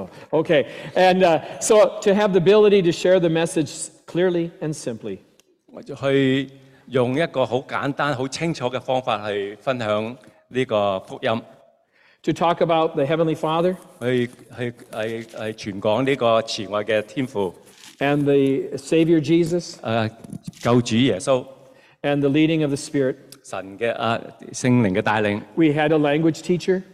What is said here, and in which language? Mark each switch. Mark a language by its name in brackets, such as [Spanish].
[English] Okay, and so to have the ability to share the message clearly and simply, [Cantonese] 去用一个好简单、好清楚嘅方法去分享呢个福音。 [English] To talk about the Heavenly Father， [Cantonese] 去传讲呢个慈爱嘅天父。 [English] And the Savior Jesus， [Cantonese] 救主耶稣。 [English] And the leading of the Spirit， [Cantonese] 神嘅圣灵嘅带领。 [English] We had a language teacher，